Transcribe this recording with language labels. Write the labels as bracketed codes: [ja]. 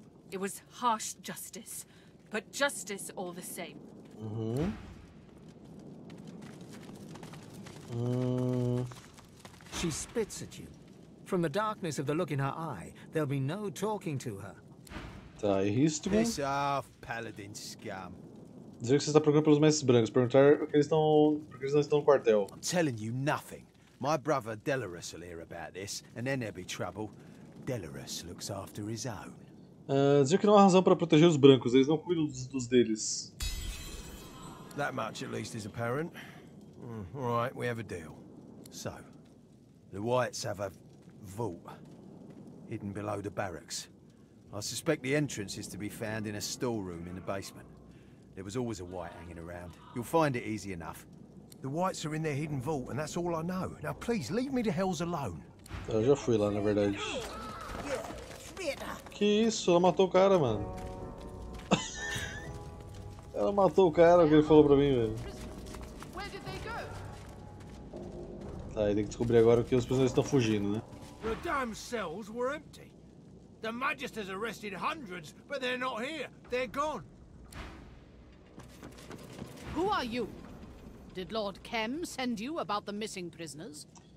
[en] It was harsh justice, but justice all the same. She spits at you. From the darkness of the look in her eye, there'll be no talking to her. [pt] Tá, e isto, mano? [en] Piss off, paladin scum. [pt] Dizer que você está procurando pelos mestres brancos, perguntar por que eles não estão no quartel. [en] I'm telling you nothing. My brother Delarus will hear about this, and then there'll be trouble. Delarus looks after his own. [pt] Dizer que não há razão para proteger os brancos, eles não cuidam dos deles. [en] That much at least is apparent. Alright, we have a deal. So, the Whites have a vault hidden below the barracks. I suspect the entrance is to be found in a storeroom in the basement. There was always a White hanging around. You'll find it easy enough. The Whites are in their hidden vault, and that's all I know. Now, please, leave me to hells alone. [pt] Eu já fui lá, na verdade. Que isso? Ela matou o cara, mano. Ela matou o cara, o que ele falou pra mim, velho. Tá, aí tem que descobrir agora o que os prisioneiros estão fugindo, né? [en] The damn cells were empty. The magisters arrested hundreds, but they're not here. They're gone. Who are you? Did Lord Kem send you about the missing prisoners?